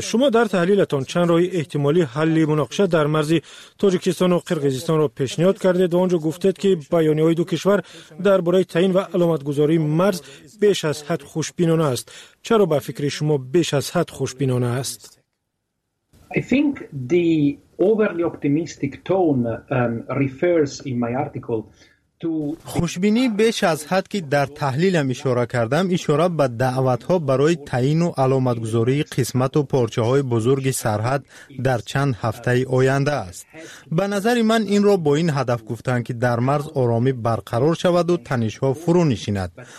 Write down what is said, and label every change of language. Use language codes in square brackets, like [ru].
[fa] شما در تحلیلتان چند راه احتمالی حل مناقشه در مرز تاجیکستان و قرقیزستان را پیشنهاد کردید و آنجا گفتید که بیانیه های دو کشور درباره تعیین و علامت گذاری مرز بیش از حد خوشبینانه است. چرا به فکر شما بیش از حد خوشبینانه است؟ [en] I think the overly optimistic tone refers in my article [fa] خوشبینی بیش از حد که در تحلیلم اشاره کردم اشاره به دعوت‌ها برای تعیین و علامتگذاری قسمت و پارچه‌های بزرگ سرحد در چند هفته آینده است. به نظر من این را با این هدف گفتن که در مرز آرامی برقرار شود و تنش‌ها فرو نشیند.